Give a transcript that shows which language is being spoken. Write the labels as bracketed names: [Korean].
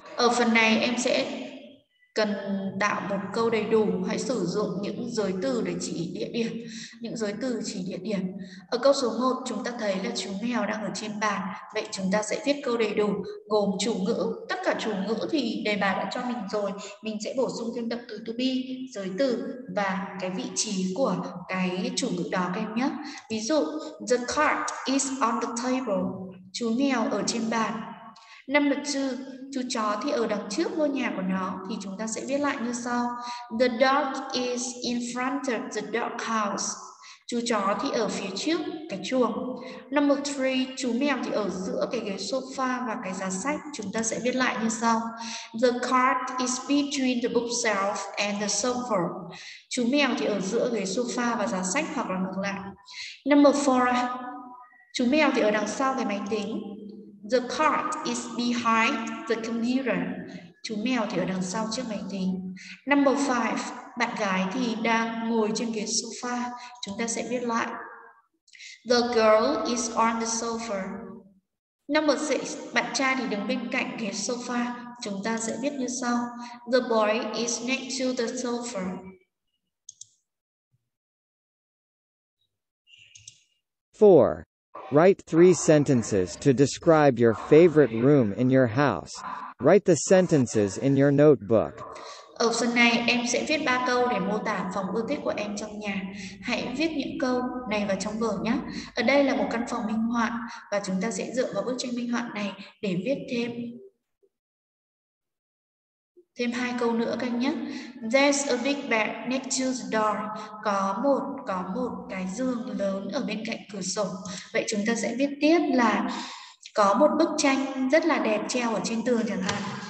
[Vietnamese] Ở phần này em sẽ cần tạo một câu đầy đủ, hãy sử dụng những giới từ để chỉ địa điểm, những giới từ chỉ địa điểm. Ở câu số 1 chúng ta thấy là chú mèo đang ở trên bàn. Vậy chúng ta sẽ viết câu đầy đủ gồm chủ ngữ, tất cả chủ ngữ thì đề bài đã cho mình rồi. Mình sẽ bổ sung thêm động từ to be, giới từ và cái vị trí của cái chủ ngữ đó các em nhé. Ví dụ [English] the cart is on the table. [Vietnamese] Chú mèo ở trên bàn. Number 2, chú chó thì ở đằng trước ngôi nhà của nó, thì chúng ta sẽ viết lại như sau. [English] The dog is in front of the dog house. [Vietnamese] Chú chó thì ở phía trước cái chuồng. Number 3, chú mèo thì ở giữa cái ghế sofa và cái giá sách. Chúng ta sẽ viết lại như sau. [English] The cart is between the bookshelf and the sofa. [Vietnamese] Chú mèo thì ở giữa ghế sofa và giá sách hoặc là ngược lại. Number 4, chú mèo thì ở đằng sau cái máy tính. [English] The cart is behind the computer. [Vietnamese] Chú mèo thì ở đằng sau chiếc máy tính. Number 5, bạn gái thì đang ngồi trên ghế sofa. Chúng ta sẽ viết lại. [English] The girl is on the sofa. Number 6, [Vietnamese] bạn trai thì đứng bên cạnh ghế sofa. Chúng ta sẽ viết như sau. [English] The boy is next to the sofa. Four. Write three sentences to describe your favorite room in your house. Write the sentences in your notebook. [Vietnamese] Ở phần này em sẽ viết ba câu để mô tả phòng ưa thích của em trong nhà. Hãy viết những câu này vào trong vở nhé. Ở đây là một căn phòng minh họa và chúng ta sẽ dựa vào bức tranh minh họa này để viết thêm hai câu nữa các anh nhé. [English] There's a big bed next to the door. [Vietnamese] Có một cái giường lớn ở bên cạnh cửa sổ. Vậy chúng ta sẽ viết tiếp là có một bức tranh rất là đẹp treo ở trên tường chẳng hạn.